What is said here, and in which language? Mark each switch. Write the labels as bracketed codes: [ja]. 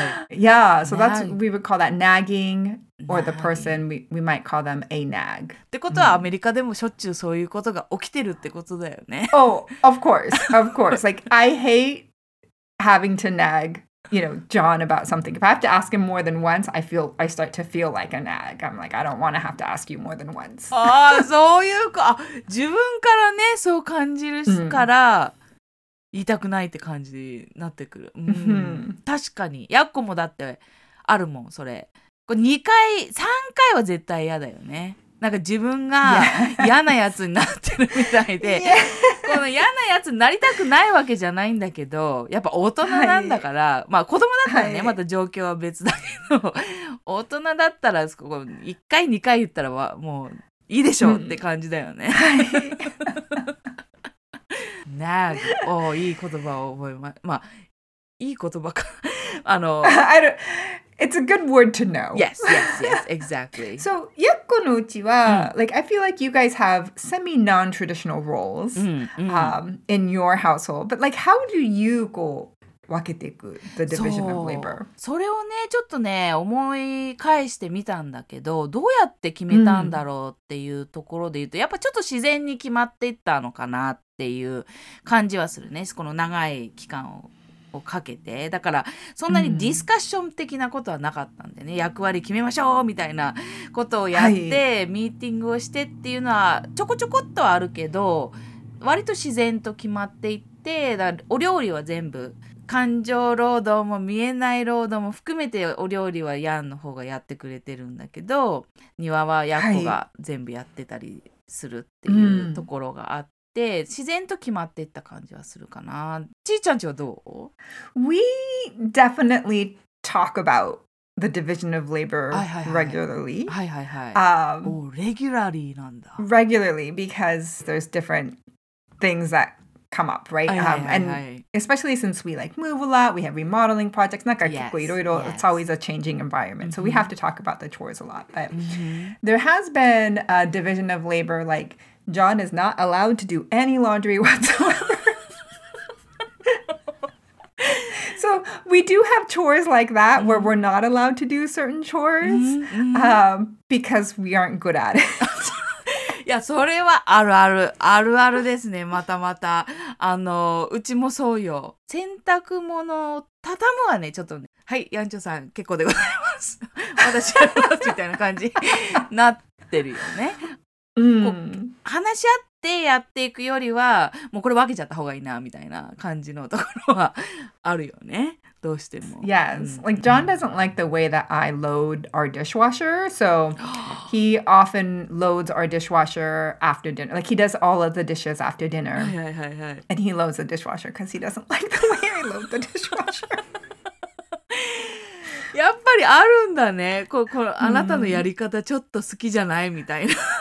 [en] Yeah, so that's, we would call that nagging, or the person, we might call them a nag. [ja] ってことはアメリカでもしょっちゅうそういうことが起きてるってことだよね。 [en] Oh, of course, of course. Like, I hate having to nag, you know, John about something. If I have to ask him more than once, I start to feel like a nag. I'm like, I don't want to have to ask you more than once. [ja] ああ、そういうか。自分からね、そう感じるから。言いたくないって感じになってくる、うん、確かにやっこもだってあるもん、それ、これ2回3回は絶対嫌だよね、なんか自分が嫌なやつになってるみたいで、この嫌なやつになりたくないわけじゃないんだけど、やっぱ大人なんだから、はい、まあ子供だったらね、はい、また状況は別だけど、大人だったらこ1回2回言ったらもういいでしょって感じだよね、うん、はい。 [en] Nag. [ja] Oh, いい言葉を覚えま、まあ、いい言葉か。あの、 [en] I don't, it's a good word to know. Yes, yes, yes, exactly. [ja] So, Yakko のうちは、mm. [en] like, I feel like you guys have semi-non-traditional roles in your household. But like, how do you go [ja] 分けていく [en] the division of labor? [ja] それをね、ちょっとね、思い返してみたんだけど、どうやって決めたんだろうっていうところで言うと、mm. やっぱちょっと自然に決まっていったのかなってっていう感じはするね、この長い期間 をかけて、だからそんなにディスカッション的なことはなかったんでね、うん、役割決めましょうみたいなことをやって、はい、ミーティングをしてっていうのはちょこちょこっとはあるけど、割と自然と決まっていって、だお料理は全部感情労働も見えない労働も含めてお料理はヤンの方がやってくれてるんだけど、庭はヤコが全部やってたりするっていうところがあって、はい、うん、で自然と決まっていった感じはするかな。ちーちゃんちはどう？ [en] We definitely talk about the division of labor regularly. [ja] はいはいはい。おー、 [en] regularly [ja] なんだ。 [en] Regularly, because there's different things that come up, right? [ja] はいはいはい、 [en] and especially since we like move a lot, we have remodeling projects, [ja] なんか結構いろいろ、 [en] it's always a changing environment.、Mm-hmm. So we have to talk about the chores a lot. But、 mm-hmm. there has been a division of labor like,John is not allowed to do any laundry whatsoever. So we do have chores like that where we're not allowed to do certain chores because we aren't good at it. [ja] いや、それはあるあるあるあるですね。またまた、あの、うちもそうよ。洗濯物を畳むはね、ちょっとね。はい、やんちょさん、結構でございます。私やりますみたいな感じになってるよね。話し合ってやっていくよりはもうこれ分けちゃった方がいいなみたいな感じのところはあるよね。どうしても。 [en] Yes. Like John doesn't like the way that I load our dishwasher. So he often loads our dishwasher after dinner. Like he does all of the dishes after dinner. And he loads the dishwasher because he doesn't like the way I load the dishwasher. [ja] やっぱりあるんだね。こう、あなたのやり方ちょっと好きじゃないみたいな。